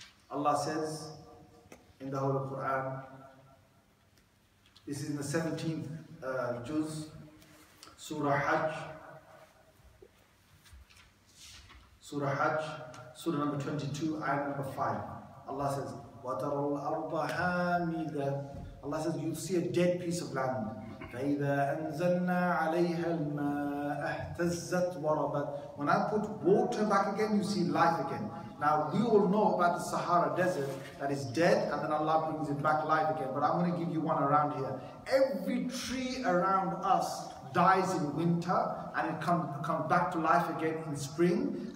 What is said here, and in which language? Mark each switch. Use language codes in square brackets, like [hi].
[en] Allah says in the Holy Quran, this is in the 17th juz, Surah Hajj, Surah number 22, ayah number 5. Allah says, [ar] وَتَرَى الْأَرْضَ هَامِدًا. [en] Allah says, you'll see a dead piece of land. [ar] فَإِذَا أَنزَلْنَا عَلَيْهَا الْمَاءَ اهْتَزَّتْ وَرَبَتْ. [en] When I put water back again, you see life again. Now, we all know about the Sahara Desert that is dead and then Allah brings it back alive again. But I'm going to give you one around here. Every tree around us dies in winter and it comes back to life again in spring.